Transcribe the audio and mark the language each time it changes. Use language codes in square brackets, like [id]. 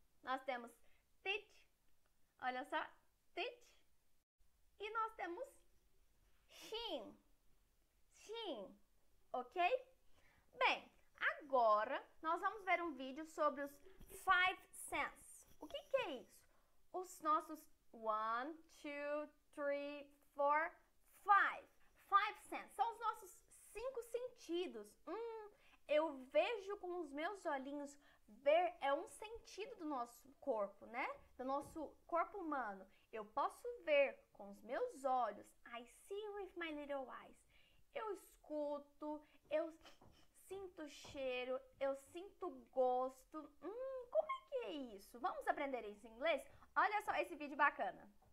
[pt] Nós temos teeth, olha só, teeth. E nós temos chin, chin, ok? Bem, agora nós vamos ver um vídeo sobre os five senses. O que que é isso? Os nossos [en] one, two, three, four, five. [pt] Five senses. São os nossos cinco sentidos. Eu vejo com os meus olhinhos. Ver é um sentido do nosso corpo, né? Do nosso corpo humano. Eu posso ver com os meus olhos. [en] I see with my little eyes. [pt] Eu escuto, eu sinto cheiro, eu sinto gosto. Como é que é isso? Vamos aprender isso em inglês? Olha só esse vídeo bacana.